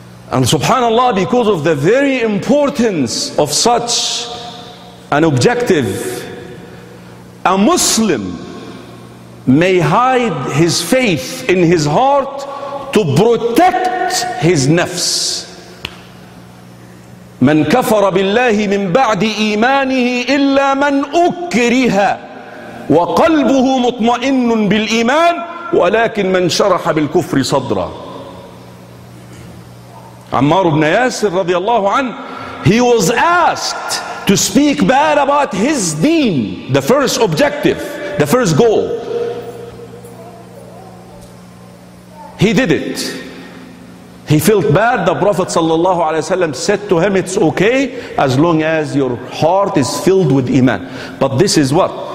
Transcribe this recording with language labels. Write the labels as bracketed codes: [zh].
[en] And subhanAllah, because of the very importance of such an objective, a Muslim may hide his faith in his heart to protect his nafs. [ar] من كفر بالله من بعد إيمانه إلا من أكره وقلبه مطمئن بالإيمان ولكن من شرح بالكفر صدرا. [en] Ammar ibn Yasir [ar] رضي الله عنه, [en] he was asked to speak bad about his deen, the first objective, the first goal. He did it. He felt bad. The Prophet sallallahu alaihi wasallam said to him, it's okay as long as your heart is filled with iman. But this is what?